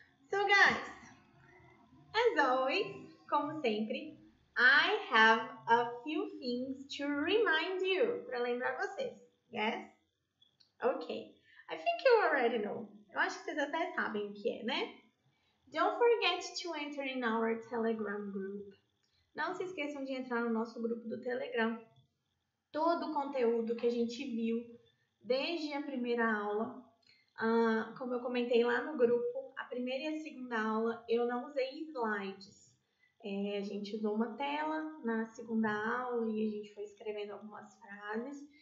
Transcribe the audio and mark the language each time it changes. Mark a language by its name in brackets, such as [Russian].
[English] So, guys, as always, [Portuguese] como sempre, [English] I have a few things to remind you, [Portuguese] para lembrar vocês, [English] yes? Okay, I think you already know. [Portuguese] Eu acho que vocês até sabem o que é, né? [English] Don't forget to enter in our Telegram group. [Portuguese] Não se esqueçam de entrar no nosso grupo do Telegram. Todo o conteúdo que a gente viu desde a primeira aula, como eu comentei lá no grupo, a primeira e a segunda aula, eu não usei slides. É, a gente usou uma tela na segunda aula e a gente foi escrevendo algumas frases.